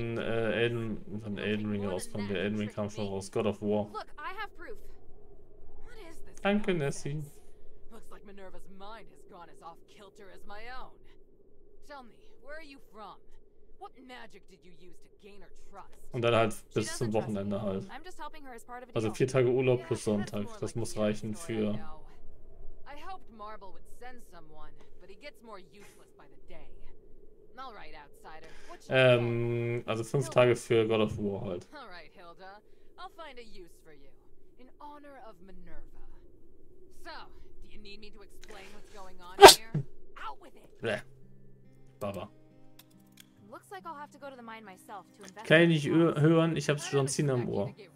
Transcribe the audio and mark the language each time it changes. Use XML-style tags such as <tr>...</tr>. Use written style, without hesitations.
<de>Wenn Elden Ring rauskommt, der Elden Ring kam schon raus.</de> <en>God of War. Look, I have proof. What is this?</en> <de>Danke,</de> <en>Nessie. Looks like Minerva's mind has gone as off-kilter as my own. Tell me, where are you from? What magic did you use to gain her trust?</en> <de>Und dann halt bis zum Wochenende halt.</de> <en>I'm just helping her as part of a deal.</en> <de>Also 4 Tage Urlaub plus Sonntag, das muss reichen für.</de> <en>I hoped Marble would send someone, but he gets more useless by the day. Alright, outsider.</en> <de>Also 5 Tage für God of War halt.</de> <en>Alright, Hilda. I'll find a use for you. In honor of Minerva. So, do you need me to explain what's going on here? Out with it! Bleh. Baba. Looks like I'll have to go to the mine myself to investigate.</en> <de>Kann ich nicht hören, ich hab's schon ziehen am Ohr.</de>